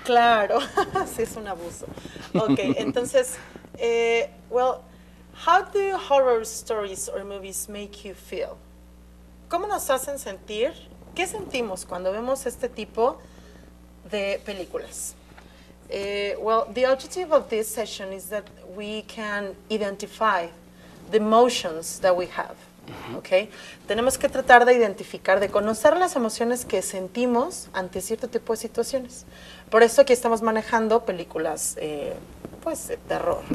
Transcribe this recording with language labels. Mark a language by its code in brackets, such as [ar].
[es] Claro, sí es un abuso. [en] Okay, entonces, well, how do horror stories or movies make you feel? [es] ¿Cómo nos hacen sentir? ¿Qué sentimos cuando vemos este tipo de películas? [en] Well, the objective of this session is that we can identify the emotions that we have, okay? [es] Tenemos que tratar de identificar, de conocer las emociones que sentimos ante cierto tipo de situaciones. Por eso aquí estamos manejando películas, pues, de terror, ¿no?